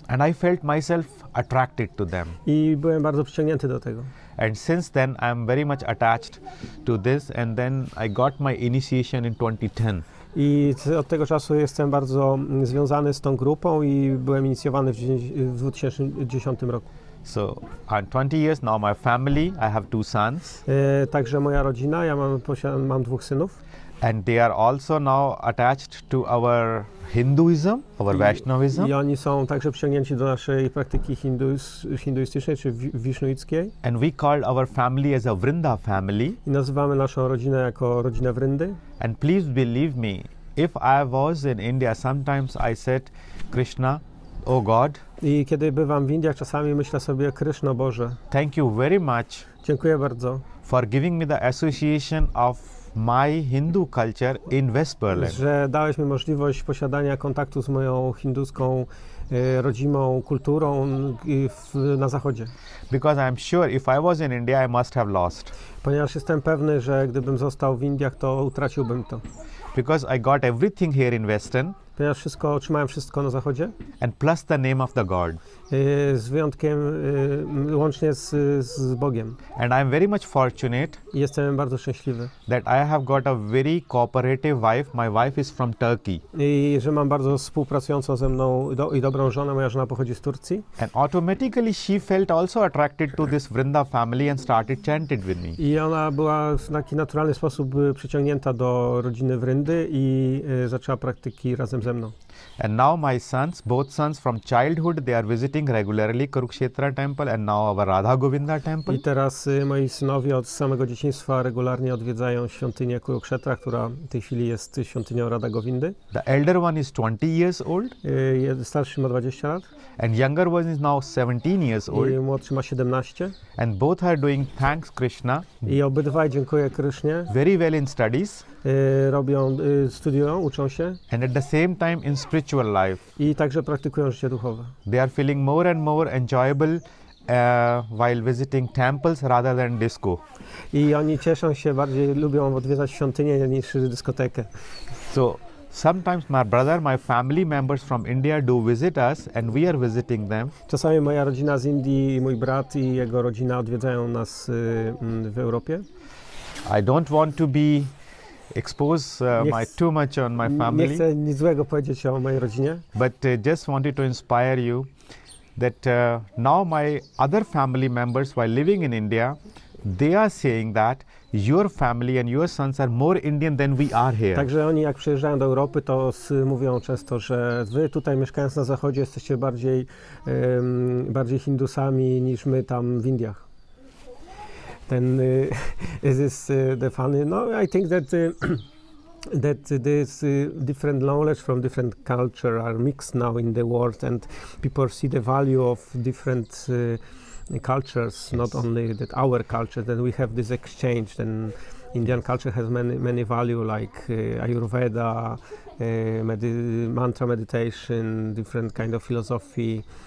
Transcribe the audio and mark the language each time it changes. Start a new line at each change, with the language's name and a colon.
English: And I felt myself attracted to them.
Polish: I byłem bardzo przyciągnięty do tego.
English: And since then I'm very much attached to this and then I got my initiation in 2010.
Polish: I od tego czasu jestem bardzo związany z tą grupą i byłem inicjowany w 2010 roku.
English: So I'm 20 years now. My family, I have two sons.
Polish: Także moja rodzina, ja mam dwóch synów.
English: And they are also now attached to our Hinduism, our Vaishnavism.
Polish: I oni są także przyciągnięci do naszej praktyki hinduistycznej czy wisznuickiej.
English: And we call our family as a Vrinda family.
Polish: I nazywamy naszą rodzinę jako rodzinę Vrindy.
English: And please believe me, if I was in India, sometimes I said, Krishna, oh God.
Polish: I kiedy bywam w Indiach, czasami myślę sobie, Krishna Boże.
English: Thank you very much.
Polish: Dziękuję bardzo.
English: For giving me the association of my Hindu culture in West Berlin.
Polish: Że dałeś mi możliwość posiadania kontaktu z moją hinduską rodzimą kulturą na zachodzie.
English: Because I'm sure if I was in India, I must have lost.
Polish: Ponieważ jestem pewny, że gdybym został w Indiach, to utraciłbym to.
English: Because I got everything here in Western.
Polish: Ponieważ wszystko, otrzymałem wszystko na zachodzie.
English: And plus the name of the God.
Polish: Z wyjątkiem, łącznie z Bogiem.
English: And I'm very much fortunate.
Polish: Jestem bardzo szczęśliwy.
English: That I have got a very cooperative wife. My wife is from Turkey.
Polish: I że mam bardzo współpracującą ze mną i dobrą żonę. Moja żona pochodzi z Turcji.
English: And automatically she felt also attracted to this Vrinda family and started chanting with me.
Polish: I ona była w taki naturalny sposób przyciągnięta do rodziny Vrindy i zaczęła praktyki razem ze mną.
English: And now my sons, both sons from childhood, they are visiting regularly Kurukshetra temple and now our Radha Govinda temple.
Polish: I teraz moi synowie od samego dzieciństwa regularnie odwiedzają świątynię Kurukshetra, która w tej chwili jest świątynią Radha Govindy.
English: The elder one is 20 years old.
Polish: Starszy ma 20 lat.
English: And younger one is now 17 years old.
Polish: I młodszy ma 17.
English: And both are doing thanks Krishna.
Polish: I obydwaj dziękuję Krishnie.
English: Very well in studies.
Polish: Robią, studiują, uczą się.
English: And at the same time in spiritual life.
Polish: I także praktykują życie duchowe.
English: They are feeling more and more enjoyable while visiting temples rather than disco.
Polish: I oni cieszą się bardziej, lubią odwiedzać świątynię niż dyskotekę.
English: So sometimes my brother, my family members from India do visit us and we are visiting them.
Polish: Czasami moja rodzina z Indii, mój brat i jego rodzina odwiedzają nas w Europie.
English: I don't want to be expose my too much on my family.
Polish: Nie chcę nic złego powiedzieć o mojej rodzinie.
English: But just wanted to inspire you that now my other family members while living in India, they are saying that your family and your sons are more Indian than we are here.
Polish: Także oni jak przyjeżdżają do Europy, to mówią często, że wy tutaj mieszkając na zachodzie jesteście bardziej bardziej Hindusami niż my tam w Indiach.
English: Then is this the funny? No, I think that that this different knowledge from different culture are mixed now in the world, and people see the value of different cultures, yes. Not only that our culture. Then we have this exchange. Then Indian culture has many value, like Ayurveda, mantra meditation, different kind of philosophy.